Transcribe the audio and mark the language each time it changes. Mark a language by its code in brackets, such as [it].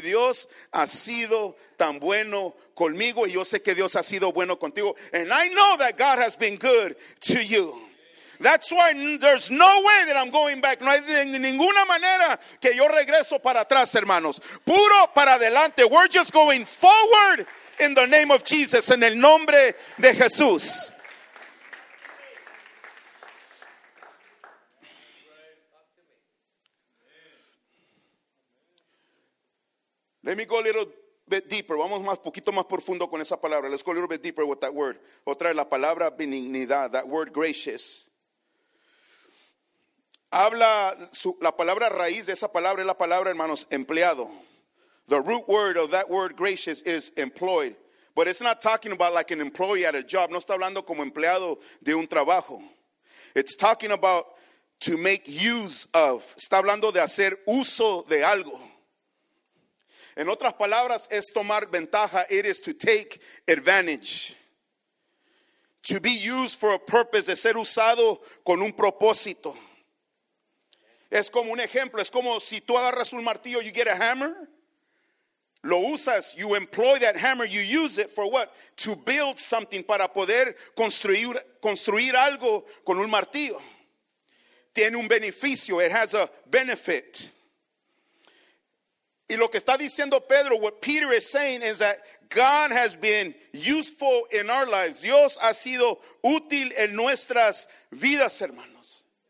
[es] Dios ha sido tan bueno conmigo y yo sé que Dios ha sido bueno contigo. [en] And I know that God has been good to you. That's why there's no way that I'm going back. [es] No hay de ninguna manera que yo regreso para atrás, hermanos. Puro para adelante. [en] We're just going forward in the name of Jesus, [es] en el nombre de Jesús. [en] Let me go a little bit deeper. [es] Vamos más poquito más profundo con esa palabra. [en] Let's go a little bit deeper with that word. [es] Otra vez, la palabra benignidad, [en] that word gracious. [es] Habla, la palabra raíz de esa palabra es la palabra, hermanos, empleado. [en] The root word of that word gracious is employed. But it's not talking about like an employee at a job. [es] No está hablando como empleado de un trabajo. [en] It's talking about to make use of. [es] Está hablando de hacer uso de algo. En otras palabras, es tomar ventaja. [en] It is to take advantage. To be used for a purpose. [es] De ser usado con un propósito. Es como un ejemplo. Es como si tú agarras un martillo, [en] you get a hammer. [es] Lo usas. [en] You employ that hammer. You use it for what? To build something. [es] Para poder construir algo con un martillo. Tiene un beneficio. [en] It has a benefit. [es] Y lo que está diciendo Pedro, [en] what Peter is saying is that God has been useful in our lives. [es] Dios ha sido útil en nuestras vidas, hermanos.